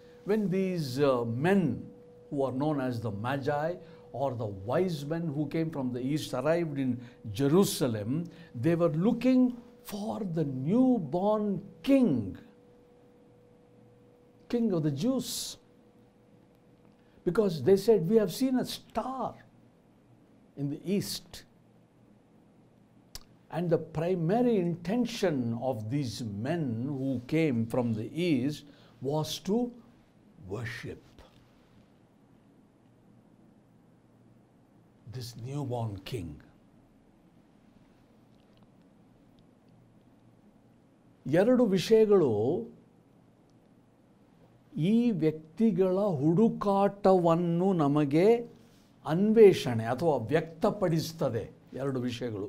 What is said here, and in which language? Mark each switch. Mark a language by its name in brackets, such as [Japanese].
[English] When these men who are known as the magi are the wise men who came from the east arrived in Jerusalem, they were looking for the new born king, king of the Jews. Because they said, we have seen a star in the east. And the primary intention of these men who came from the east was to worship this newborn king. [Kannada] ಎರಡು ವಿಷಯಗಳು ಈ ವ್ಯಕ್ತಿಗಳ ಹುಡುಕಾಟವನ್ನು ನಮಗೆ ಅನ್ವೇಷಣೆ ಅಥವಾ ವ್ಯಕ್ತಪಡಿಸ್ತದೆ. ಎರಡು ವಿಷಯಗಳು.